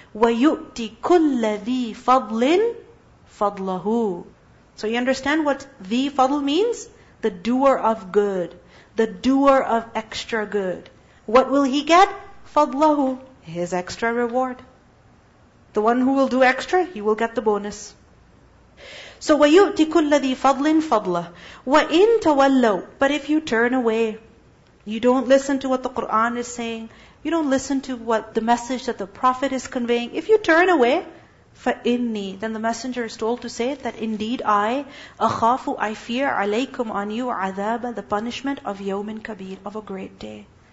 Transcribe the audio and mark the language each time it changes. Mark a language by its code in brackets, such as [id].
[ar] وَيُؤْتِ كُلَّ ذِي فَضْلٍ فَضْلَهُ. [en] So you understand what the fadl means? The doer of good. The doer of extra good. What will he get? فَضْلَهُ. His extra reward. The one who will do extra, he will get the bonus. [ar] So وَيُؤْتِ كُلَّ ذِي فَضْلٍ فَضْلَهُ. وَإِن تَوَلَّوْا. [en] But if you turn away, you don't listen to what the Qur'an is saying, you don't listen to what the message that the Prophet is conveying, if you turn away, فَإِنِّي, then the Messenger is told to say that indeed I, أَخَافُ, I fear عَلَيْكُمْ on you عَذَابَ, the punishment of [ar] يَوْمٍ كَبِيرٍ, [en] of a great day.